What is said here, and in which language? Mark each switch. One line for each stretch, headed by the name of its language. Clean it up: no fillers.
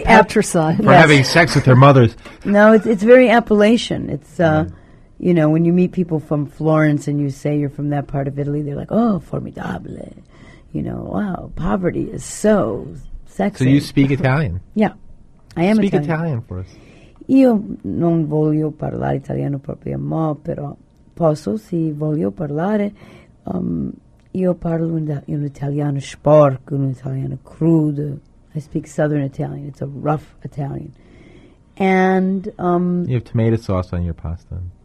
English: patricide. For having sex with their mothers. No, it's very Appalachian. It's, you know, when you meet people from Florence and you say you're from that part of Italy, they're like, oh, formidable. You know, wow, poverty is so... sexy. So you speak Italian? Yeah, I am Italian. Speak Italian for us.
Italian: Io non voglio parlare italiano proprio, ma però posso sì voglio parlare. Io parlo un italiano sporco, un italiano crudo.
English: I speak Southern Italian. It's a rough Italian. And you have tomato sauce on your pasta.